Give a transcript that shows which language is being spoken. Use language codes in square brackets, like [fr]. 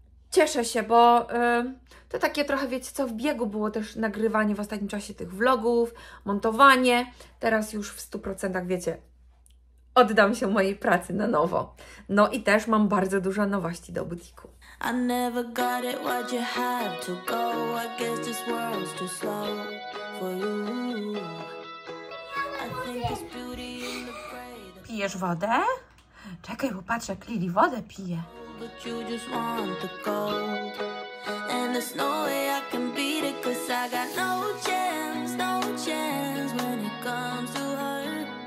[pl] Cieszę się, bo to takie trochę wiecie co, w biegu było też nagrywanie w ostatnim czasie tych vlogów, montowanie. Teraz już w 100% wiecie, oddam się mojej pracy na nowo. No i też mam bardzo dużo nowości do butiku. [en] I never got it, why'd you have to go? I guess this world's too slow for you. I think it's beauty in the fray. [pl] Pijesz wodę? Czekaj, bo patrzę, jak Lili wodę pije. [en] But you just want the gold. And there's no way I can beat it, cause I got no chance, no chance when it comes to her.